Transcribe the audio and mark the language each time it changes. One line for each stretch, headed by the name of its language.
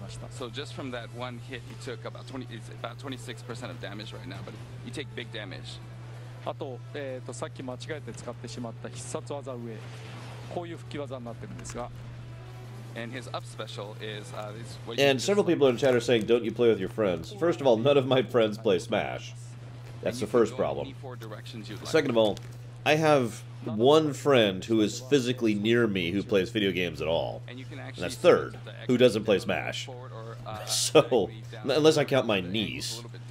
English: So just from that one hit, he took about 20, it's about 26% of damage right now, but you take big damage.
Japanese: あと、さっき間違えて使ってしまった必殺技上、こういう吹き技になってるんですが。
English: And his up special is... And several people in chat are saying, don't you play with your friends? First of all, none of my friends play Smash. That's the first problem. Second of all, I have... one friend who is physically near me who plays video games at all. And that's third, who doesn't play Smash. So, unless I count my niece.